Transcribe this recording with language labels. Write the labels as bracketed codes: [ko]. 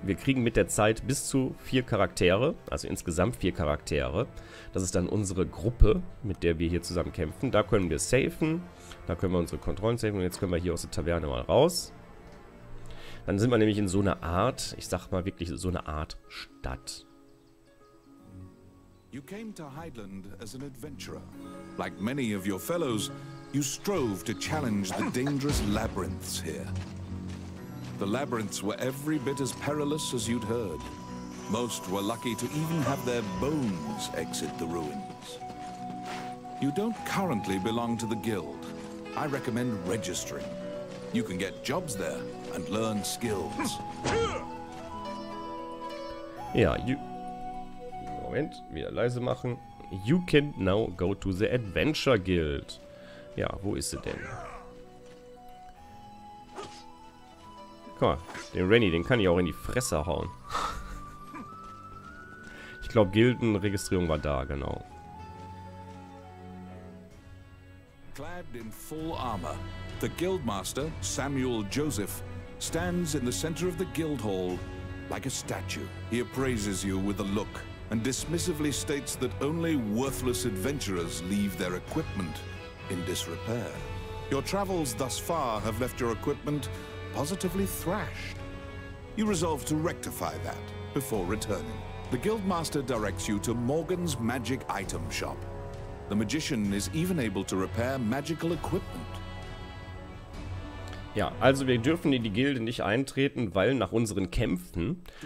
[de] Wir kriegen mit der Zeit bis zu 4 Charaktere, also insgesamt 4 Charaktere. Das ist dann unsere Gruppe, mit der wir hier zusammen kämpfen. Da können wir safen, da können wir unsere Kontrollen safen und jetzt können wir hier aus der Taverne mal raus. Dann sind wir nämlich in so einer Art, ich sag mal wirklich so eine Art Stadt. [en] You came to Highland as an adventurer. Like many of your fellows, you strove to challenge the dangerous labyrinths here. The labyrinths were every bit as perilous as you'd heard. Most were lucky to even have their bones exit the ruins. You don't currently belong to the guild. I recommend registering. You can get jobs there and learn skills. [de] Ja, you... Moment, wieder leise machen. [en] You can now go to the Adventure Guild. [de] Ja, wo ist sie denn? Guck mal, den Renny, den kann ich auch in die Fresse hauen. Ich glaube, Gildenregistrierung war da, genau. [en] Clad in full armor, the Guildmaster, Samuel Joseph, stands in the center of the Guild Hall like a statue. He appraises you with a look and dismissively states that only worthless adventurers leave their equipment in disrepair. Your travels thus far have left your equipment positively thrashed. You resolve to rectify that before returning. The Guildmaster directs you to Morgan's Magic Item Shop. The magician is even able to repair magical equipment. [de] Ja, also wir dürfen in die Gilde nicht eintreten, weil nach unseren Kämpfen...